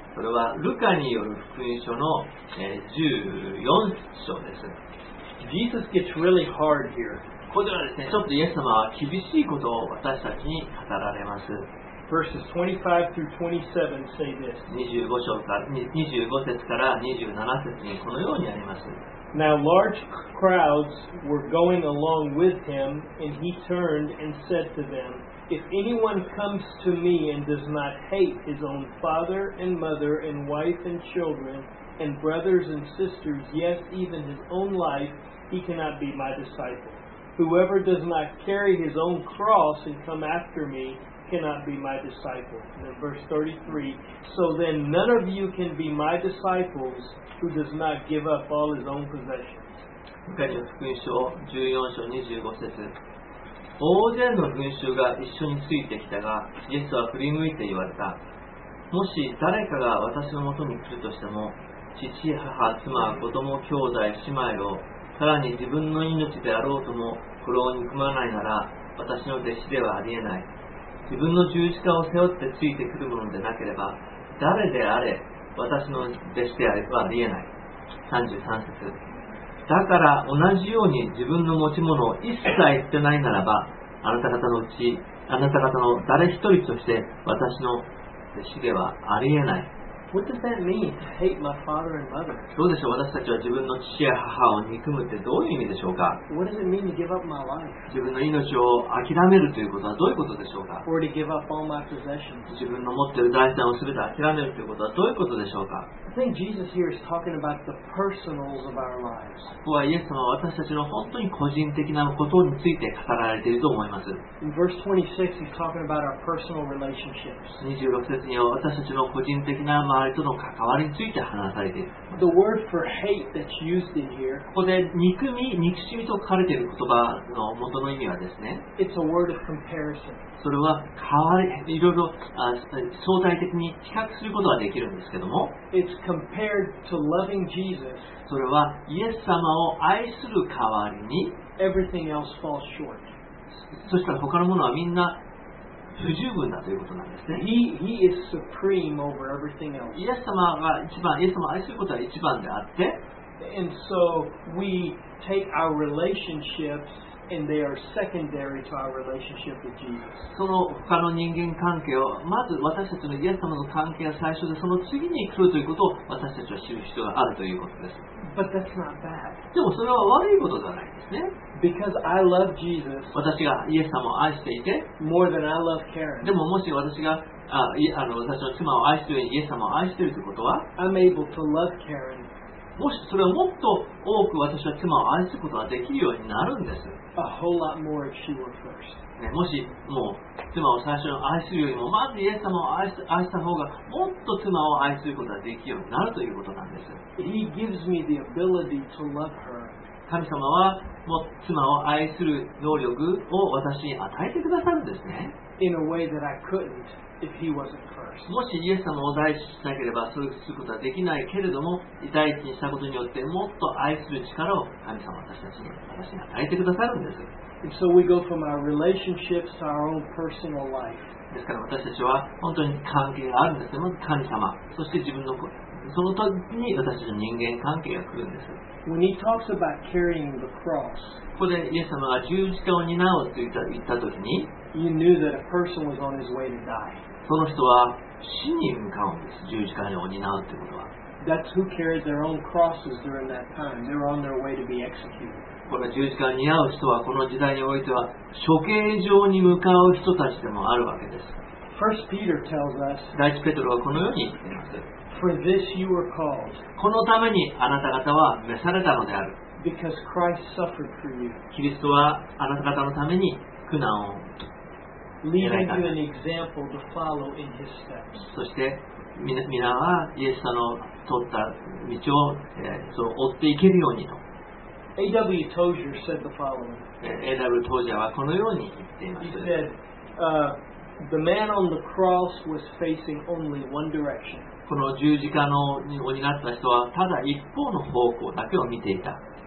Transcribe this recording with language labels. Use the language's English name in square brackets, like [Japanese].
[Japanese] それはルカによる福音書の14章です。 [English] Jesus gets really hard here. [Japanese] ここではですね、ちょっとイエス様は厳しいことを私たちに語られます。 [English] Verses 25 through 27 say this. [Japanese] 25節から27節にこのようにあります。 [English] Now large crowds were going along with him, and he turned and said to them, If anyone comes to me and does not hate his own father and mother and wife and children and brothers and sisters, yes, even his own life, he cannot be my disciple. Whoever does not carry his own cross and come after me cannot be my disciple. And then verse 33, So then none of you can be my disciples. Who does not give up all his own possessions. [Japanese] ルカによる福音書14章25節大勢の群衆が一緒についてきたがイエスは振り向いて言われたもし誰かが私のもとに来るとしても父母妻子供兄弟姉妹をさらに自分の命であろうともこれを憎まないなら私の弟子ではありえない自分の十字架を背負ってついてくるものでなければ誰であれ私の弟子であればありえない。33節。だから同じように自分の持ち物を一切捨てないならば、あなた方のうち、あなた方の誰一人として私の弟子ではありえない。 [English] What does that mean to hate my father and mother? [Japanese] どうでしょう、私たちは自分の父や母を憎むってどういう意味でしょうか。 [English] What does it mean to give up my life? [Japanese] 自分の命を諦めるということはどういうことでしょうか。 [English] Or to give up all my possessions? [Japanese] 自分の持っている財産を全て諦めるということはどういうことでしょうか。 [English] I think Jesus here is talking about the personals of our lives. [Japanese] ここはイエス様は私たちの本当に個人的なことについて語られていると思います。 [English] In verse 26, he's talking about our personal relationships. [Japanese] 26節には私たちの個人的な周りとの関わりについて話されている。 [English] The word for hate that's used in here, [Japanese] ここで憎しみと書かれている言葉の元の意味はですね、 [English] It's a word of comparison. [Japanese] それは変わり、いろいろ相対的に比較することができるんですけども、 [English] It's compared to loving Jesus. [Japanese] それはイエス様を愛する代わりに、 [English] Everything else falls short. [Japanese] そしたら他のものはみんな不十分だということなんですね。 [English] He is supreme over everything else. [Japanese] イエス様が一番、イエス様を愛することが一番であって、 [English] And so we take our relationships and they are secondary to our relationship with Jesus. [Japanese] その他の人間関係をまず私たちのイエス様の関係が最初でその次に来るということを私たちは知る必要があるということです。 [English] But that's not bad. [Japanese] でもそれは悪いことではないですね。 [English] Because I love Jesus. [Japanese] 私がイエス様を愛していて、 [English] more than I love Karen. [Japanese] でももし私が私の妻を愛しているようにイエス様を愛しているということは、 [English] I'm able to love Karen. [Japanese] もしそれをもっと多く私は妻を愛することができるようになるんです。 [English] A whole lot more if she were first. [Japanese] ね、もしもう妻を最初に愛するよりも、まずイエス様を愛した方がもっと妻を愛することができるようになるということなんです。 [English] He gives me the ability to love her. [Japanese] 神様はもう妻を愛する能力を私に与えてくださるんですね。 [English] In a way that I couldn't if he wasn't first. [Japanese] もしイエス様を第一にしなければそうすることはできないけれども、第一にしたことによってもっと愛する力を神様は私に与えてくださるんです。 [English] And so we go from our relationships to our own personal life. [Japanese] ですから私たちは本当に関係があるんですね。まず神様、そして自分のその時に私たちの人間関係が来るんです。 [English] When he talks about carrying the cross, [Japanese] ここでイエス様が十字架を担うと言った時に、 [English] you knew that a person was on his way to die. [Japanese] その人は死に向かうんです。十字架を担うということは。 [English] That's who carried their own crosses during that time. They were on their way to be executed. [Japanese] この十字架を担う人はこの時代においては処刑場に向かう人たちでもあるわけです。 [English] First Peter tells us, [Japanese] 第一ペトロはこのように言っています。 [English] For this you were called. [Japanese] このためにあなた方は召されたのである。 [English] Because Christ suffered for you. [Japanese] キリストはあなた方のために苦難を [English] Leaving you an example to follow in his steps. [Japanese] そして皆はイエス様の取った道を、そう追っていけるようにと。 [English] A.W. Tozier said the following. [Japanese] A.W. Tozier はこのように言っています。 [English] He said, the man on the cross was facing only one direction. [Japanese] この十字架のに鬼があった人はただ一方の方向だけを見ていた。